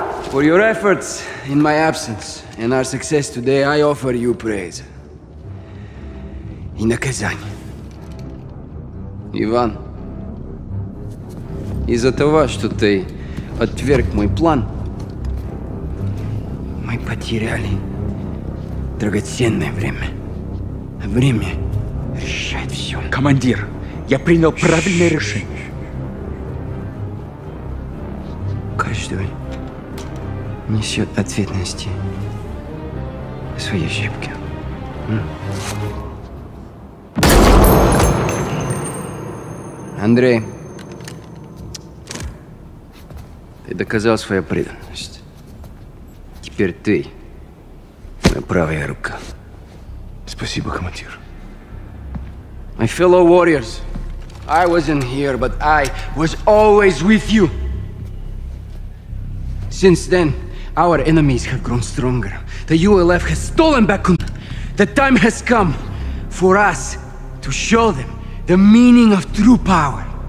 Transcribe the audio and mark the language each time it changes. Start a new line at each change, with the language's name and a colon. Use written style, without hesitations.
English: For your efforts in my absence and our success today, I offer you praise.
Russian: И наказание. Иван, из-за того, что ты отверг мой план, мы потеряли драгоценное время. Время решает все. Командир, я принял правильное решение. Каждый несет ответственности за свои ошибки. Андрей, ты доказал свою преданность. Теперь ты моя правая рука. Спасибо, командир.
English: My fellow warriors, I wasn't here, but I was always with you. Since then, our enemies have grown stronger. The ULF has stolen back control. The time has come for us to show them the meaning of true power.